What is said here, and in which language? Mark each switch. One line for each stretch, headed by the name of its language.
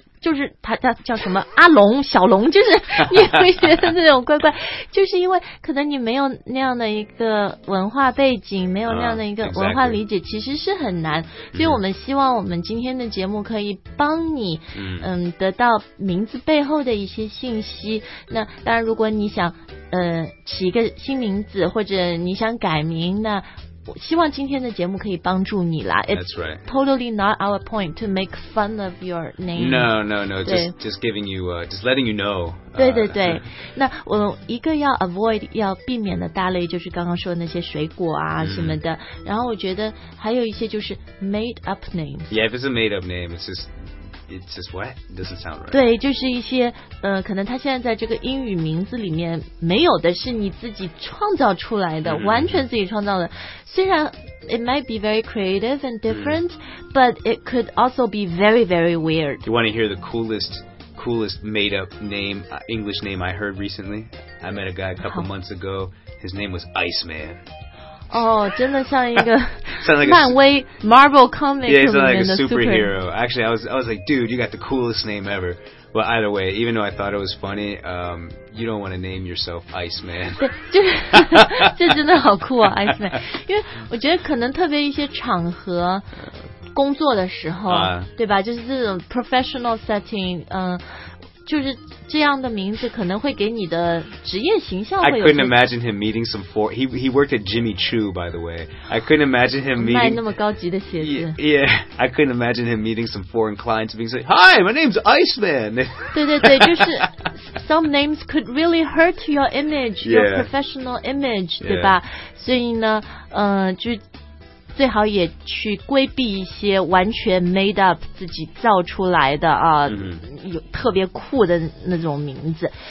Chinese: 就是他叫什么阿龙小龙，就是你会觉得那种怪怪，就是因为可能你没有那样的一个文化背景，没有那样的一个文化理解，其实是很难。所以我们希望我们今天的节目可以帮你得到名字背后的一些信息。那当然如果你想起一个新名字，或者你想改名，那我希望今天的节目可以帮助你啦。
English: That's right. Totally not our point to make fun of your name. No. Just giving you, just letting you know.
Chinese: 对对对。那我一个要 avoid, 要避免的大类就是刚刚说的那些水果啊什么的。然后我觉得还有一些就是
English: made up names. Yeah, if it's a made up name, it's just, it's just what? It doesn't sound right.
Chinese: 对，就是一些可能他现在在这个英语名字里面没有的是你自己创造出来的、mm-hmm. 完全自己创造的。虽然
English: it might be very creative and different,、mm-hmm. but it could also be very, very weird. You want to hear the coolest made up name,、English name I heard recently? I met a guy a couple months ago. His name was Iceman.
Chinese: Oh, 真的像一个漫威 Marvel Comics 里面的 superhero.
English: Actually, I was like, dude, you got the coolest name ever. But either way, even though I thought it was funny, you don't want to name yourself Iceman.
Chinese: 对，这真的好酷啊 ，Iceman. 因为我觉得可能特别一些场合工作的时候，对吧？就是这种
English: professional setting,
Chinese: 就是这样的名字可能会给你的职业形象会有些
English: I couldn't imagine him meeting some he worked at Jimmy Choo, by the way. I couldn't imagine him meeting
Chinese: 卖那么高级的鞋子
English: I couldn't imagine him meeting some foreign clients being like, Hi, my name's Iceman.
Chinese: 对对对，就是
English: Some names could really hurt your image, your professional image,
Chinese: 对吧？所以呢，就最好也去规避一些完全
English: made up
Chinese: 自己造出来的啊、有特别酷的那种名字。